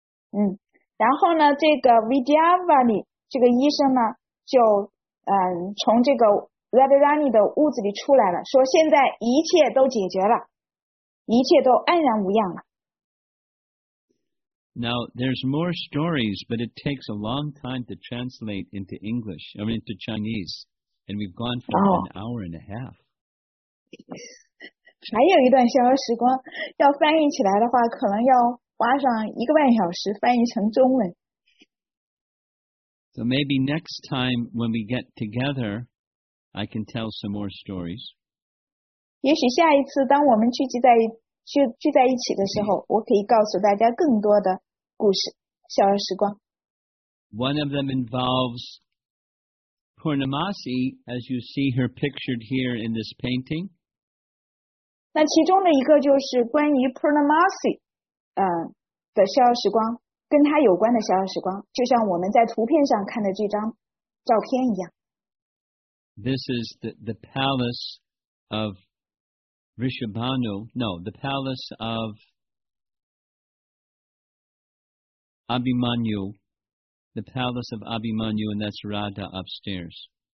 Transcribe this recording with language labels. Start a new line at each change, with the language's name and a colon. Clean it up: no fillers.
Chinese: 然后呢这个 Vidyavali 这个医生呢就从这个 Radharani 的屋子里出来了，说现在一切都解决了，一切都安然无恙了。
English: Now, there's more stories, but it takes a long time to translate into English, I mean into Chinese, and we've gone for an hour and a half.
Chinese: 还有一段逍遥时光，要翻译起来的话，可能要花上一个半小时翻译成中文。
English: So maybe next time when we get together, I can tell some more stories.
Chinese: 也许下一次当我们聚在一起的时候，我可以告诉大家更多的故事，逍遥时光。
English: One of them involves Purnamasi, as you see her pictured here in this painting.
Chinese: 那其中的一个就是关于 Purnamasi, 的逍遥时光。跟他有关的逍遥时光，就像我们在图片上看的这张照片一样。
English: This is the palace of Vrishabhanu. No, the palace of Abhimanyu, the palace of Abhimanyu, and that's Radha upstairs.